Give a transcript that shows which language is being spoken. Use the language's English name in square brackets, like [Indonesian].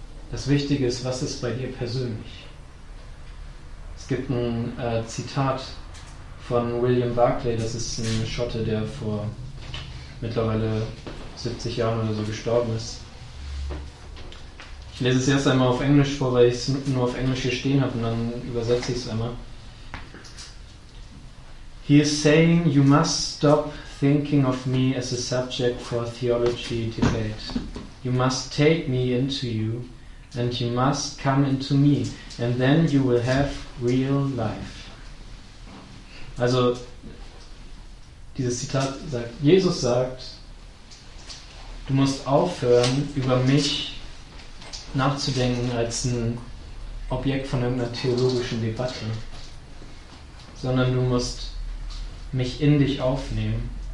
[German] Das Wichtige ist, was ist bei dir persönlich? Es gibt ein Zitat von William Barclay, das ist ein Schotte, der vor mittlerweile 70 Jahren oder so gestorben ist. Ich lese es erst einmal auf Englisch vor, weil ich es nur auf Englisch hier stehen habe und dann übersetze ich es einmal. [English] He is saying, you must stop thinking of me as a subject for theology debate. You must take me into you and you must come into me and then you will have real life. [German] Also, dieses Zitat sagt, Jesus sagt, du musst aufhören, über mich nachzudenken als ein Objekt von irgendeiner theologischen Debatte, sondern du musst mich in dich aufnehmen.